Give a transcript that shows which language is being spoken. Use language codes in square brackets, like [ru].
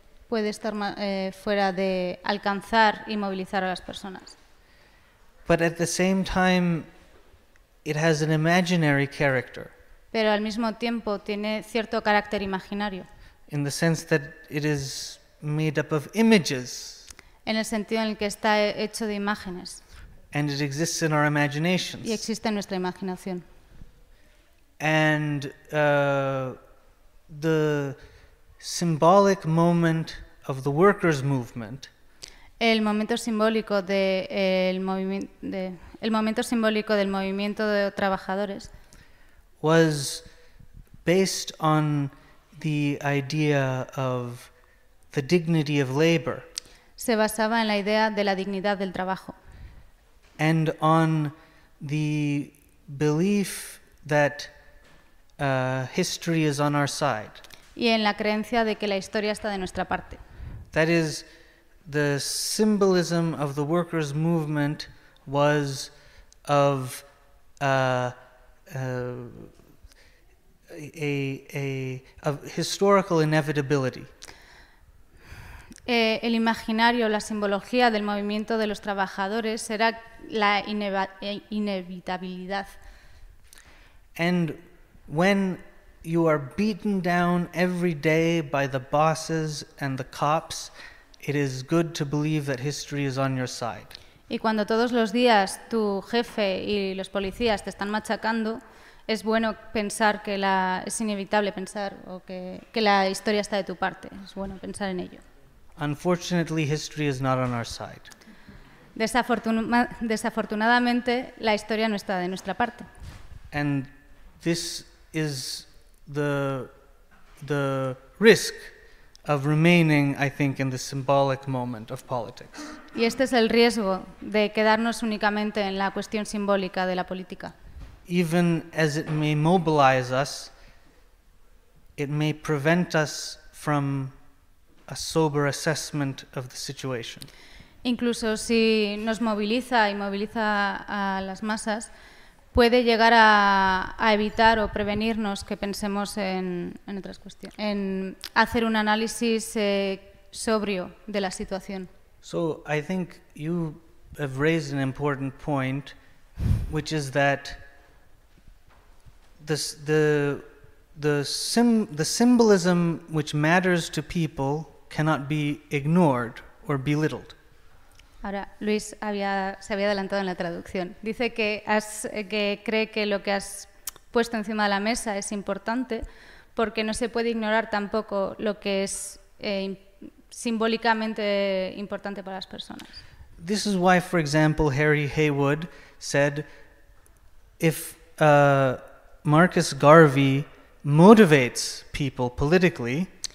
[es] Puede estar fuera de alcanzar y movilizar a las personas. [en] But at the same time, it has an imaginary character. [es] Pero al mismo tiempo tiene cierto carácter imaginario. [en] In the sense that it is made up of images. [es] En el sentido en el que está hecho de imágenes. [en] And it exists in our imaginations. [es] Y existe en nuestra imaginación. [en] And the symbolic moment of the workers' movement. [es] El momento simbólico de el movimiento de el momento simbólico del movimiento de trabajadores, [en] was based on the idea of the dignity of labor. [es] Se basaba en la idea de la dignidad del trabajo. [en] And on the belief that history is on our side. [es] Y en la creencia de que la historia está de nuestra parte. [en] That is, the symbolism of the workers' movement was of of historical inevitability. [es] El imaginario, la simbología del movimiento de los trabajadores era la inevitabilidad. [en] And when you are beaten down every day by the bosses and the cops, it is good to believe that history is on your side. [es] Y cuando todos los días tu jefe y los policías te están machacando, es bueno pensar que la es inevitable pensar o que la historia está de tu parte. Es bueno pensar en ello. [en] Unfortunately, history is not on our side. [es] Desafortunadamente, la historia no está de nuestra parte. [en] And this is the risk of remaining, I think, in the symbolic moment of politics. [es] Y este es el riesgo de quedarnos únicamente en la cuestión simbólica de la política. [en] Even as it may mobilize us, it may prevent us from a sober assessment of the situation. [es] Incluso si nos moviliza y moviliza a las masas, puede llegar a evitar o prevenirnos que pensemos en otras cuestiones, en hacer un análisis sobrio de la situación. [en] So I think you have raised an important point, which is that the symbolism which matters to people cannot be ignored or belittled. [es] Ahora, Luis se había adelantado en la traducción. Dice que cree que lo que has puesto encima de la mesa es importante porque no se puede ignorar tampoco lo que es simbólicamente importante para las personas. [en] This is why, for example, Harry Haywood said, if Marcus Garvey motivates people politically,